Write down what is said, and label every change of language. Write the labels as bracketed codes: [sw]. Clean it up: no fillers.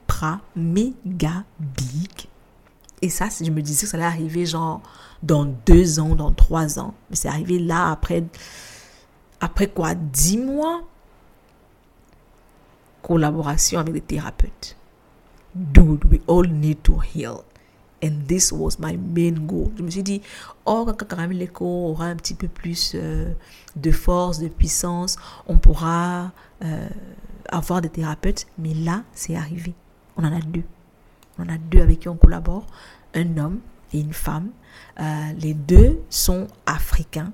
[fr] ultra, méga big. Et ça, je me disais que ça allait arriver genre dans 2 ans, dans 3 ans. Mais c'est arrivé là après quoi, 10 mois? Collaboration avec des thérapeutes. [en] Dude, we all need to heal. And this was my main goal. [fr] Je me suis dit, oh, quand Caramel Echo aura un petit peu plus de force, de puissance, on pourra avoir des thérapeutes. Mais là, c'est arrivé. On en a deux. On en a deux avec qui on collabore. Un homme et une femme. Les deux sont africains.